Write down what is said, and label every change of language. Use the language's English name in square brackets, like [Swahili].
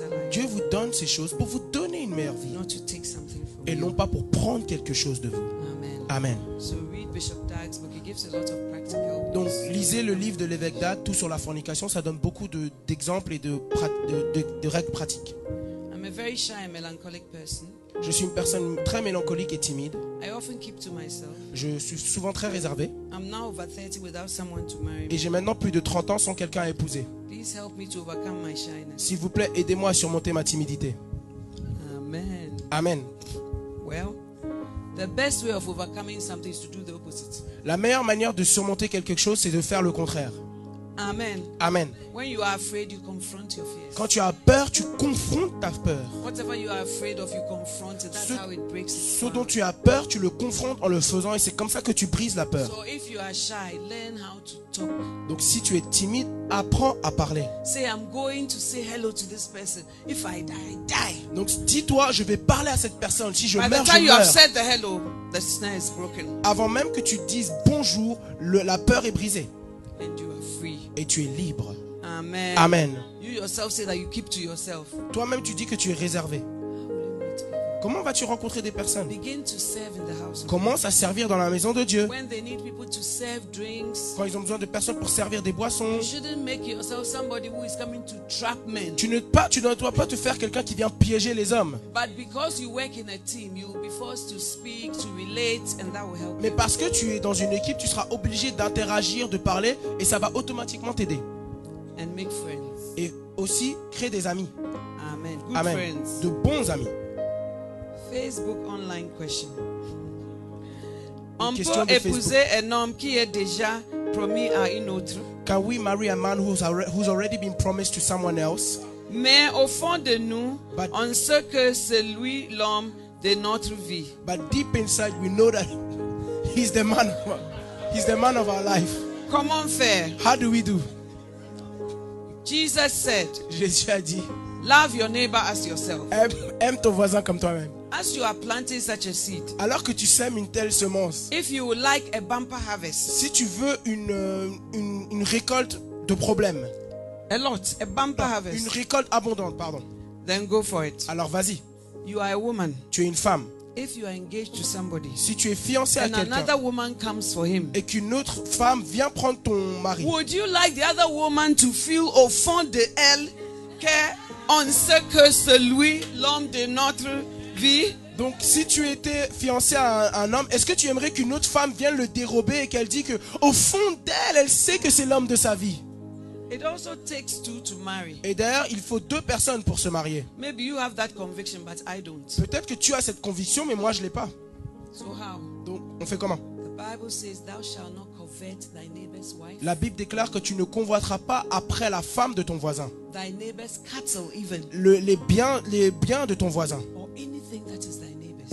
[French] Dieu vous donne ces choses pour vous donner une meilleure vie. Et non pas pour prendre quelque chose de vous. Amen. Amen. Amen. [English] So read Bishop Dagg's book. He gives a lot of practical. [French] Donc lisez le livre de l'évêque Dagg, tout sur la fornication. Ça donne beaucoup de, d'exemples et de règles pratiques. [English] I'm a very shy, melancholic person. [French] Je suis une personne très mélancolique et timide. [English] I often keep to myself. [French] Je suis souvent très réservé. [English] I'm now over 30 without someone to marry me. [French] Et j'ai maintenant plus de 30 ans sans quelqu'un à épouser. [English] Please help me to overcome my shyness. [French] S'il vous plaît, aidez-moi à surmonter ma timidité. Amen. Amen. [English] Well, the best way of overcoming something is to do the opposite. [French] La meilleure manière de surmonter quelque chose, c'est de faire le contraire. Amen. Amen. [English] When you are afraid, you confront your fears. [French] Quand tu as peur, tu confrontes ta peur. [English] Whatever you are afraid of, you confront it. That's how it breaks. [French] Ce dont tu as peur, tu le confrontes en le faisant, et c'est comme ça que tu brises la peur. [English] So if you are shy, learn how to talk. [French] Donc si tu es timide, apprends à parler. [English] Say I'm going to say hello to this person. If I die, die. [French] Donc dis-toi, je vais parler à cette personne. Si je [English] By [French] meurs, [English] the time [French] je [English] you [French] meurs. [English] Have said the hello, the snare is broken. [French] Avant même que tu dises bonjour, la peur est brisée. [English] And you are free. [French] Et tu es libre. Amen. Amen. [English] You yourself say that you keep to yourself. [French] Toi-même, tu dis que tu es réservé. Comment vas-tu rencontrer des personnes? [English] Begin to serve in the house. [French] Commence à servir dans la maison de Dieu. [English] When they need people to serve drinks, [French] quand ils ont besoin de personnes pour servir des boissons. [English] You shouldn't make yourself somebody who is coming to trap men. [French] Tu ne dois pas te faire quelqu'un qui vient piéger les hommes. [English] But because you work in a team, you will be forced to speak, to relate, and that will help. [French] Mais parce que tu es dans une équipe, tu seras obligé d'interagir, de parler, et ça va automatiquement t'aider. [English] And make friends. [French] Et aussi créer des amis. Amen. [English] Good Amen. Friends. [French] De bons amis. [English] Facebook online question. [French] On peut épouser un homme qui est déjà promis à une autre? [English] Can we marry a man who's already been promised to someone else? [French] Mais au fond de nous, on sait que c'est lui l'homme de notre vie. [English] But deep inside, we know that he's the man of our life. [French] Comment faire? [English] How do we do? Jesus said, [French] Jésus a dit, [English] love your neighbor as yourself. [French] Aime ton voisin comme toi-même. [English] As you are planting such a seed, [French] alors que tu sèmes une telle semence, [English] if you would like a bumper harvest, [French] si tu veux une récolte de problèmes, [English] a lot, a bumper harvest, [French] une récolte abondante, pardon, [English] then go for it. [French] Alors vas-y. [English] You are a woman. [French] Tu es une femme. [English] If you are engaged to somebody, [French] si tu es fiancé à [English] and [French] quelqu'un, [English] another woman comes for him, [French] et qu'une autre femme vient prendre ton mari, [English] would you like the other woman to feel [French] au fond de elle que on sait que celui l'homme de notre vie? Donc si tu étais fiancé à un homme, est-ce que tu aimerais qu'une autre femme vienne le dérober et qu'elle dit que au fond d'elle, elle sait que c'est l'homme de sa vie? [English] It also takes two to marry. [French] Et d'ailleurs, il faut deux personnes pour se marier. [English] Maybe you have that conviction, but I don't. [French] Peut-être que tu as cette conviction, mais moi je l'ai pas. [English] So how? [French] Donc on fait comment? [English] The Bible says thou shalt not covet thy neighbor's wife. [French] La Bible déclare que tu ne convoiteras pas après la femme de ton voisin. [English] Thy neighbor's cattle even. [French] Les biens de ton voisin. [English] Or anything that is thy neighbor's.